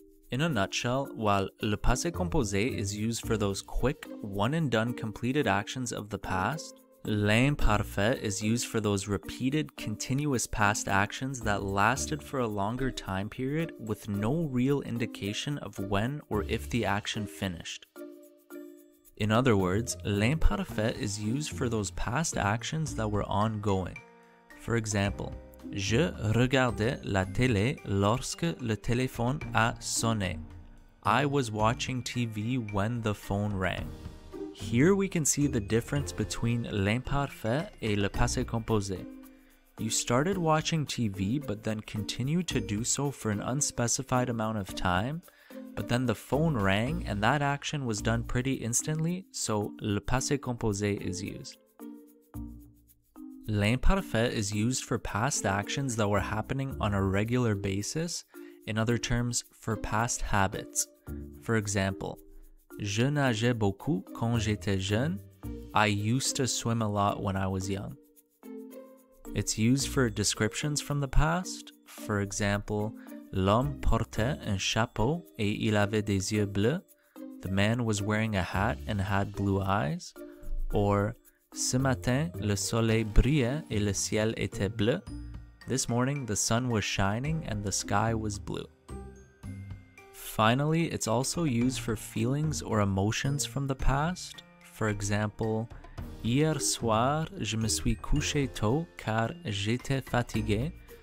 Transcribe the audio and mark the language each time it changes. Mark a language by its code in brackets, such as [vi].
[en] In a nutshell, while le passé composé is used for those quick, one-and-done completed actions of the past, l'imparfait is used for those repeated, continuous past actions that lasted for a longer time period with no real indication of when or if the action finished. In other words, l'imparfait is used for those past actions that were ongoing. For example, [fr] je regardais la télé lorsque le téléphone a sonné. [en] I was watching TV when the phone rang. Here we can see the difference between [fr] l'imparfait et le passé composé. [en] You started watching TV but then continued to do so for an unspecified amount of time, but then the phone rang and that action was done pretty instantly, so le passé composé is used. L'imparfait is used for past actions that were happening on a regular basis, in other terms, for past habits. For example, [fr] je nageais beaucoup quand j'étais jeune. [en] I used to swim a lot when I was young. It's used for descriptions from the past. For example, [fr] l'homme portait un chapeau et il avait des yeux bleus. [en] The man was wearing a hat and had blue eyes. [fr] Or, ce matin, le soleil brillait et le ciel était bleu. [en] This morning, the sun was shining and the sky was blue. Finally, it's also used for feelings or emotions from the past. For example, [fr] hier soir, je me suis couché tôt car j'étais fatigué.